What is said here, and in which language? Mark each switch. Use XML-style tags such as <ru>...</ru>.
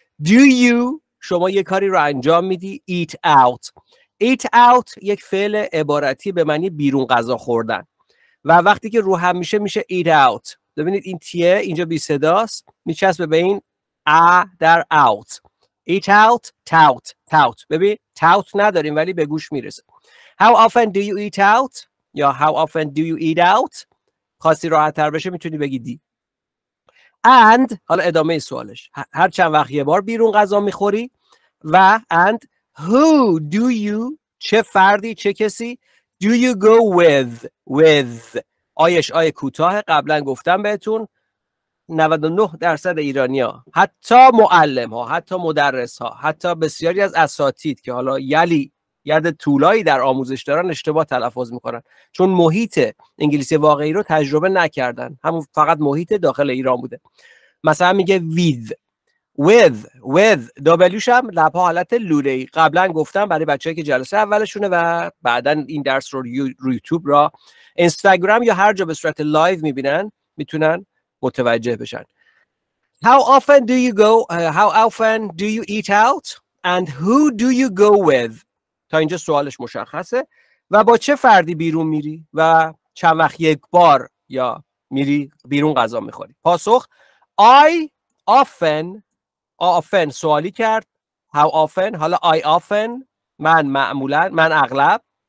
<en>Do you،</en> <fa>شما یک کاری رو انجام میدی. Eat out، eat out یک فعل عبارتی به معنی بیرون غذا خوردن و وقتی که رو هم میشه میشه eat out. ببینید این تیه اینجا بی صداست، میچسبه به این ا در out.</fa> <en>Eat out، tout، tout.</en> <fa>ببین tout نداریم ولی به گوش میرسه.</fa> <en>How often do you eat out یا how often do you eat out.</en> <fa>خواستی راحت تر بشه میتونی بگی دی. And حالا ادامه سوالش، هر چند وقت یه بار بیرون غذا میخوری.</fa> <en>و and who do you،</en> <fa>چه فردی چه کسی،</fa> <en>do you go with.</en> <fa>with آیش آی کوتاه، قبلا گفتم بهتون 99% ایرانی ها، حتی معلم ها، حتی مدرس ها، حتی بسیاری از اساتید که حالا یلی یاد طولایی در آموزش دارن اشتباه تلفظ میکنن چون محیط انگلیسی واقعی رو تجربه نکردن، همون فقط محیط داخل ایران بوده. مثلا میگه with، with، with، دابلیوش هم لبها حالت لوله‌ای، قبلا گفتم برای بچه‌ای که جلسه اولشونه و بعدا این درس رو یوتیوب را اینستاگرام یا هر جا به صورت لایو میبینن میتونن متوجه بشن.</fa> <en>How often do you go، how often do you eat out and who do you go with.</en> <fa>تا اینجا سوالش مشخصه. و با چه فردی بیرون میری و چند وقت یک بار یا میری بیرون غذا میخوری. پاسخ I often، often سوالی کرد،</fa> <en>how often،</en> <fa>حالا I often، من معمولا، من اغلب.</fa>